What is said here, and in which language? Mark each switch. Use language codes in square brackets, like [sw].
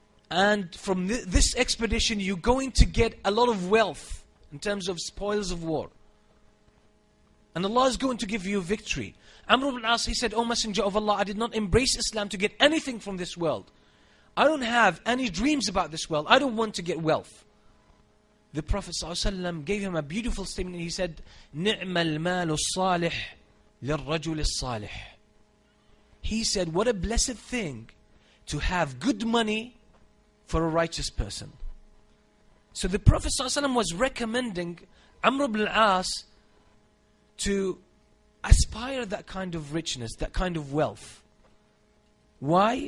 [en] And from this expedition, you're going to get a lot of wealth in terms of spoils of war. And Allah is going to give you victory. Amr ibn al-As, he said, O Messenger of Allah, I did not embrace Islam to get anything from this world. I don't have any dreams about this world. I don't want to get wealth. The Prophet ﷺ gave him a beautiful statement. He said, [ar] نِعْمَ الْمَالُ الصَّالِحِ لِلْرَّجُلِ الصَّالِحِ. [en] He said, what a blessed thing to have good money for a righteous person. So the Prophet ﷺ was recommending Amr ibn al-As to aspire that kind of richness, that kind of wealth. Why?